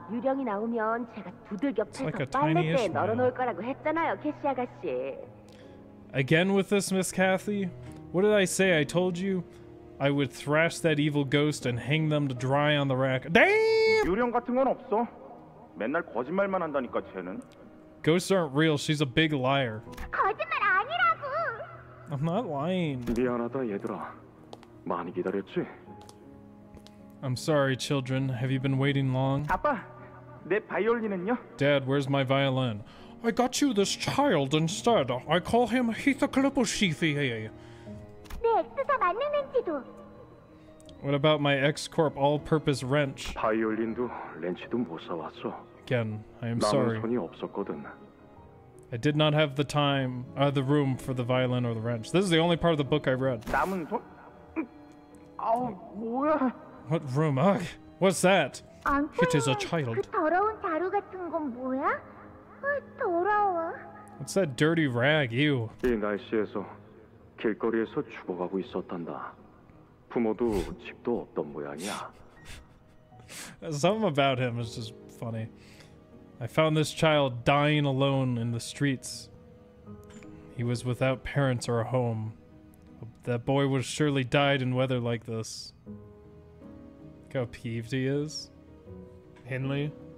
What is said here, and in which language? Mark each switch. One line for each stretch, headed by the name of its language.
Korean: 유령이 나오면 제가 두들겨 패서 빨래대에 널어놓을 거라고 했잖아요, 캐시 아가씨.
English: Again with this, Miss Kathy? What did I say? I told you I would thrash that evil ghost and hang them to dry on the rack. Damn!
Korean: 유령 같은 건 없어. 맨날 거짓말만 한다니까, 쟤는.
English: Ghosts aren't real. She's a big liar.
Korean: 거짓말 아니라고!
English: I'm not lying.
Korean: 미안하다, 얘들아. 많이 기다렸지?
English: I'm sorry, children. Have you been waiting long?
Korean: 아빠, 내 바이올린은요?
English: Dad, where's my violin? I got you this child instead. I call him Heathaclipposheathy.
Korean: 내 엑스가 맞는지도.
English: What about my ex-corp all-purpose wrench?
Korean: 바이올린도 렌치도 못 사왔어.
English: Again, I am sorry.
Korean: 나는 손이 없었거든.
English: I did not have the time, the room for the violin or the wrench. This is the only part of the book I read.
Korean: 남은 손? 아우, 뭐야?
English: What room? Ugh, what's that? It is a child.
Korean: 그 더러운 자루 같은 건 뭐야? 더러워.
English: What's that dirty rag? Ew.
Korean: 이 날씨에서 길거리에서 죽어가고 있었단다. 부모도 집도 없던 모양이야.
English: Something about him is just funny. I found this child dying alone in the streets. He was without parents or a home. That boy would have surely died in weather like this. How peeved he is. Henley.